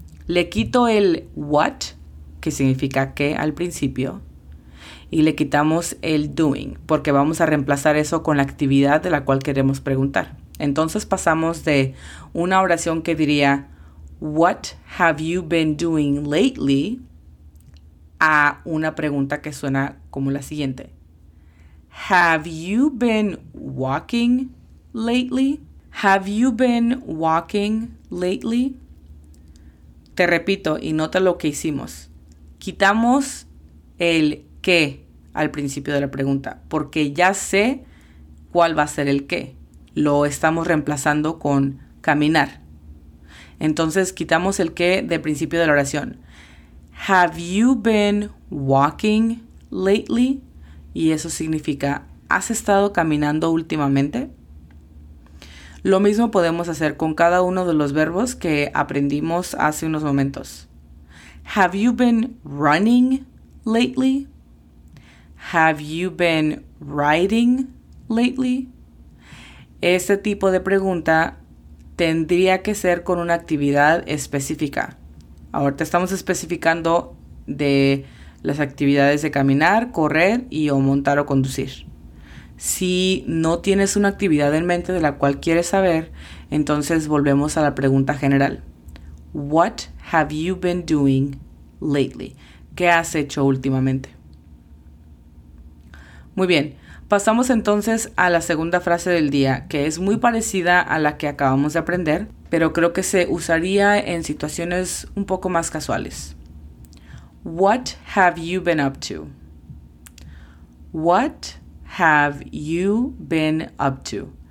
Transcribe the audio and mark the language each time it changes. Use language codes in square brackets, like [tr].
[es] Le quito el what, que significa qué al principio, y le quitamos el doing, porque vamos a reemplazar eso con la actividad de la cual queremos preguntar. Entonces, pasamos de una oración que diría [en] What have you been doing lately? [es] A una pregunta que suena como la siguiente. [en] Have you been walking lately? Have you been walking lately? [es] Te repito y nota lo que hicimos. Quitamos el qué al principio de la pregunta porque ya sé cuál va a ser el qué. Lo estamos reemplazando con caminar. Entonces, quitamos el qué del principio de la oración. [en] Have you been walking lately? [es] Y eso significa, ¿has estado caminando últimamente? Lo mismo podemos hacer con cada uno de los verbos que aprendimos hace unos momentos. [en] Have you been running lately? Have you been riding lately? [es] Ese tipo de pregunta tendría que ser con una actividad específica. Ahorita estamos especificando de las actividades de caminar, correr y o montar o conducir. Si no tienes una actividad en mente de la cual quieres saber, entonces volvemos a la pregunta general. [en] What have you been doing lately? [es] ¿Qué has hecho últimamente? Muy bien, pasamos entonces a la segunda frase del día, que es muy parecida a la que acabamos de aprender, pero creo que se usaría en situaciones un poco más casuales. [en] What have you been up to? What have you been up to?